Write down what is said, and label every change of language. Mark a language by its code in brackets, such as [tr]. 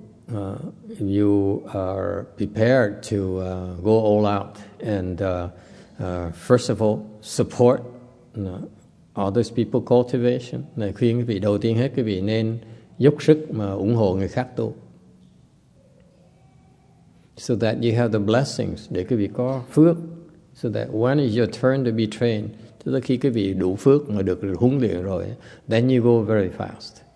[en] If you are prepared to go all out and first of all support others people cultivation, [vi] này khuyên quý vị đầu tiên hết quý vị nên dốc sức mà ủng hộ người khác tu. [en] So that you have the blessings, [vi] để quý vị có phước. [en] So that when is your turn to be trained? [vi] Tức là khi quý vị đủ phước mà được huấn luyện rồi, [en] then you go very fast.